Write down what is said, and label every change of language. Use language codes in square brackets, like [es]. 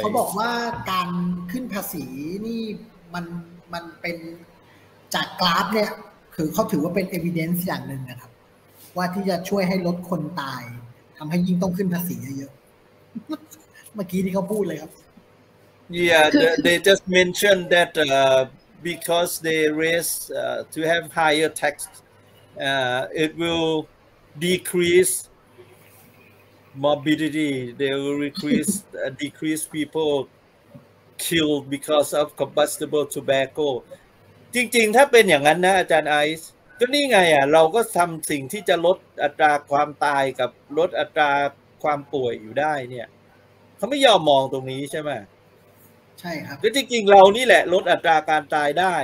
[th] เขาบอกว่าการขึ้นภาษีนี่มันเป็นจากกราฟเนี่ยคือเขาถือว่าเป็น evidence อย่างหนึ่งนะครับว่าที่จะช่วยให้ลดคนตายทำให้ยิ่งต้องขึ้นภาษีเยอะๆเมื่อกี้ที่เขาพูดเลยครับ [en] Yeah they just mentioned that because they raise to have higher tax it will decreaseMorbidity, they will decrease people killed because of combustible tobacco. [th] จริงๆถ้าเป็นอย่างนั้นนะอาจารย์ไอซ์ก็นี่ไงเราก็ทำสิ่งที่จะลดอัตราความตายกับลดอัตราความป่วยอยู่ได้เนี่ยเขาไม่ยอมมองตรงนี้ใช่ไหม ใช่ครับ ก็จริงๆเรานี่แหละลดอัตราการตายไ